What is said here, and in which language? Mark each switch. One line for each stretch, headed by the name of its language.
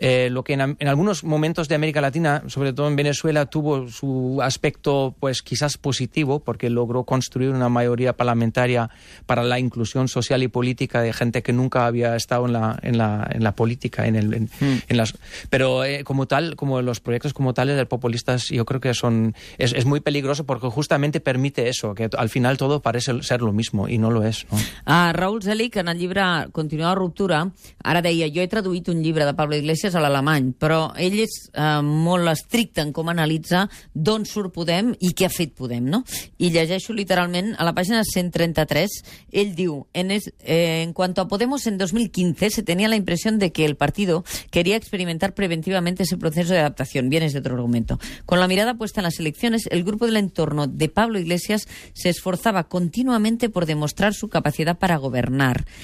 Spanish: Lo que en algunos momentos de América Latina, sobre todo en Venezuela, tuvo su aspecto pues quizás positivo, porque logró construir una mayoría parlamentaria para la inclusión social y política de gente que nunca había estado en la política, pero como tal, como los proyectos como tales del populistas, yo creo que es muy peligroso, porque justamente permite eso, que al final todo parece ser lo mismo y no lo es, ¿no?
Catalan: Raúl Zelic, en el llibre Continuada Ruptura, ara deia, jo he traduït un llibre de Pablo Iglesias a l'alemany, però ell és molt estricte en com analitza d'on surt Podem i què ha fet Podem, no? I llegeixo literalment a la pàgina 133, ell diu,
Spanish: en cuanto a Podemos en 2015 se tenía la impresión de que el partido quería experimentar preventivamente ese proceso de adaptación, bien es de otro argumento. Con la mirada puesta en las elecciones, el grupo del entorno de Pablo Iglesias se esforzaba continuamente por demostrar su capacidad para gobernar.